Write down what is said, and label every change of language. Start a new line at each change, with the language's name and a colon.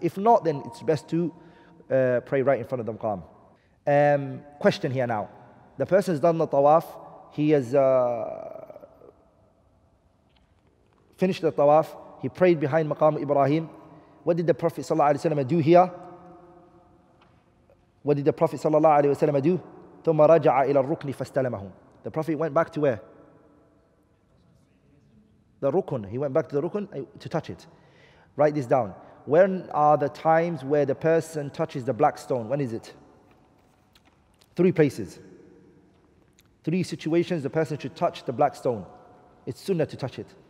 English: If not, then it's best to pray right in front of the maqam. Question here now. The person has done the tawaf. He has finished the tawaf, he prayed behind Maqam Ibrahim. What did the Prophet sallallahu alaihi wasallam do here? What did the Prophet sallallahu alaihi wasallam do?
Arabic: ثم رجع إلى الركن فاستلمه.
English: The Prophet went back to where? The rukun. He went back to the rukun to touch it. Write this down. When are the times where the person touches the black stone? When is it? Three places. Three situations the person should touch the black stone. It's sunnah to touch it.